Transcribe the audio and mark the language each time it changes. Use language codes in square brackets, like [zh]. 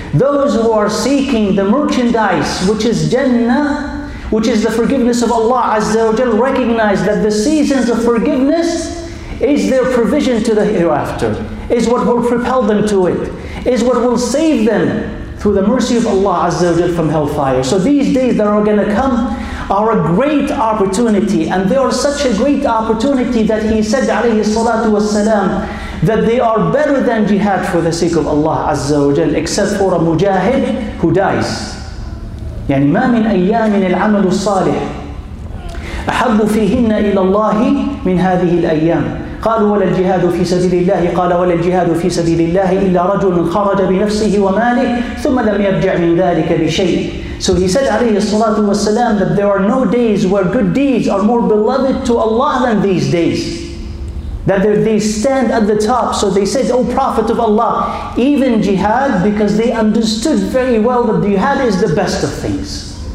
[en] Those who are seeking the merchandise, which is Jannah, which is the forgiveness of Allah Azza wa Jal, recognize that the seasons of forgiveness is their provision to the hereafter, is what will propel them to it, is what will save them through the mercy of Allah Azza wa Jal from hellfire. So these days that are going to come are a great opportunity, and they are such a great opportunity that he said alayhi salatu wasalam that they are better than jihad for the sake of Allah Azza wa Jal, except for a mujahid who dies. [ar] يعني ما من أيام العمل الصالح أحب فيهن إلى الله من هذه الأيام. قالوا ولا الجهاد في سبيل الله. قال ولا الجهاد في سبيل الله إلا رجل خرج بنفسه وماله ثم لم يرجع من ذلك بشيء. [en] So he said [ar] عليه الصلاة والسلام [en] that there are no days where good deeds are more beloved to Allah than these days. That they stand at the top. So they said, O Prophet of Allah, even jihad, because they understood very well that jihad is the best of things.